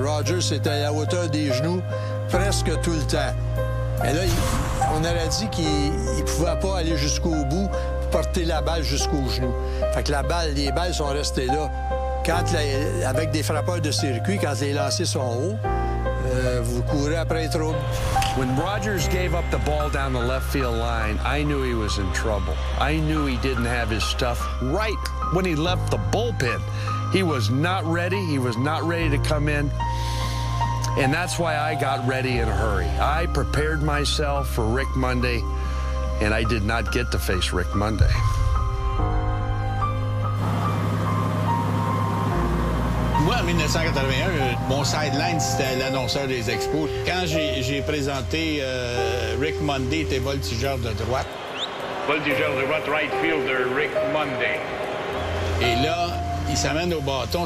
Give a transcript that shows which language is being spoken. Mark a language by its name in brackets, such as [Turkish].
[French] Rogers était à la hauteur des genoux presque tout le temps. Mais là, on aurait dit qu'il pouvait pas aller jusqu'au bout, porter la balle jusqu'au genou. Fait que la balle, les balles sont restées là. Quand avec des frappeurs de circuit, quand les lancers sont hauts, vous courez après trop. [English] When Rogers gave up the ball down the left field line, I knew he was in trouble. I knew he didn't have his stuff right when he left the bullpen. He was not ready. He was not ready to come in. And that's why I got ready in a hurry. I prepared myself for Rick Monday, and I did not get to face Rick Monday. [French] Moi, en 1981, mon sideline, c'était l'annonceur des Expos. Quand j'ai présenté Rick Monday, était voltigeur de droite. Voltigeur de droite, [English] right fielder, [French] Rick Monday. Et là, il s'amène au bâton.